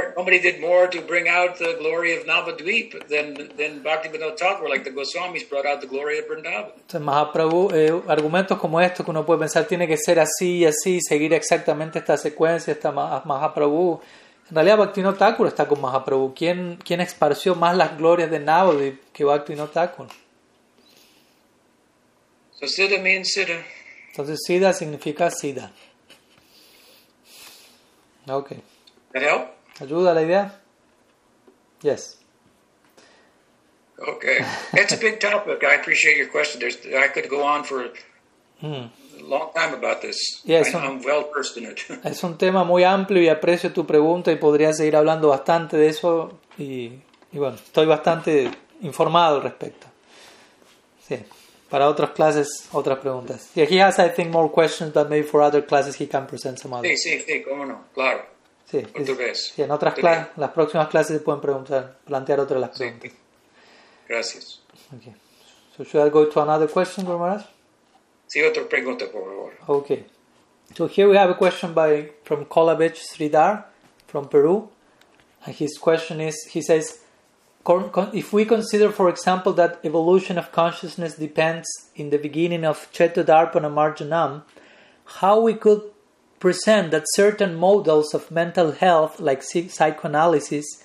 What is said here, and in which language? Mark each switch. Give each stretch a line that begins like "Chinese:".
English: Nobody did more to bring out the glory of Navadvip than Bhaktivinoda Thakur, like the Goswamis brought out the glory of Vrindavan.
Spanish: Entonces Mahaprabhu, argumentos como estos que uno puede pensar tiene que ser así y así, seguir exactamente esta secuencia, esta Mahaprabhu. En realidad Bhaktivinoda Thakur está con Mahaprabhu. ¿Quién esparció más las glorias de Navadvip que Bhaktivinoda Thakur?
English: So siddha means siddha.
Spanish: Entonces, siddha significa siddha.
English: Ok. That help?
Spanish: ¿Ayuda la idea?
English: Yes. Ok. It's a big topic. I appreciate your question. I could go on for a long time about this. Yes, I'm well versed in it.
Spanish: Es un tema muy amplio y aprecio tu pregunta y podría seguir hablando bastante de eso. Y bueno, estoy bastante informado al respecto. Sí. Para otras clases, otras preguntas.
English: Yeah, he has, I think, more questions, but maybe for other classes he can present some others.
Spanish: Sí, cómo no, claro. Sí, portugués. Sí, en otras clases, las próximas clases se pueden plantear otras las preguntas. Sí. Gracias.
English: Okay. So should I go to another question, Guru Maharaj?
Spanish: Sí, otra pregunta, por favor.
English: Okay. So here we have a question from Kolabech Sridhar from Peru. And his question is, he says, if we consider, for example, that evolution of consciousness depends in the beginning of Cheto Darpana Marjanam, how we could present that certain models of mental health, like psychoanalysis,